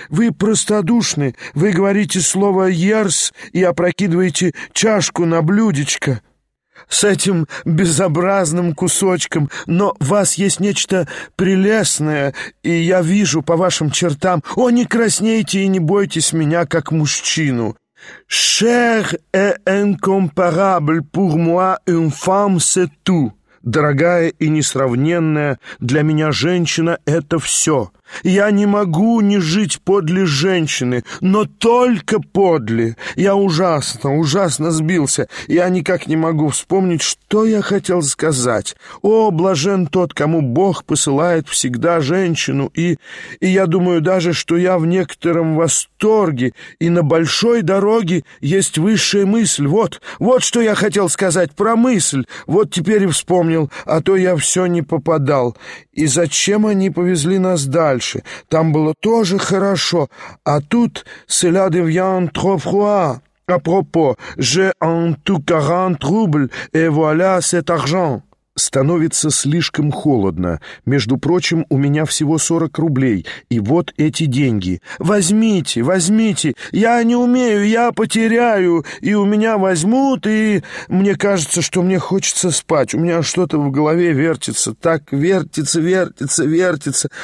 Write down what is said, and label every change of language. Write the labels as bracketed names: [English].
[Russian] Вы простодушны, вы говорите слово «ерс» и опрокидываете чашку на блюдечко». «С этим безобразным кусочком, но у вас есть нечто прелестное, и я вижу по вашим чертам. О, не краснейте и не бойтесь меня, как мужчину. [French] Cher et incomparable pour moi une femme, c'est tout. [Russian] Дорогая и несравненная для меня женщина — это все. Я не могу не жить подле женщины, но только подле. Я ужасно, ужасно сбился. Я никак не могу вспомнить, что я хотел сказать. О, блажен тот, кому Бог посылает всегда женщину. И я думаю даже, что я в некотором восторге. И на большой дороге есть высшая мысль. Вот что я хотел сказать про мысль. Вот теперь и вспомнил, а то я все не попадал. И зачем они повезли нас дальше? Там было тоже хорошо, а тут [French] «cela devient trop froid». «À propos, j'ai en tout 40 rubles, et voilà cet argent». [Russian] «Становится слишком холодно. Между прочим, у меня всего 40 рублей, и вот эти деньги. Возьмите, возьмите, я не умею, я потеряю, и у меня возьмут, и мне кажется, что мне хочется спать. У меня что-то в голове вертится, так вертится, вертится, вертится.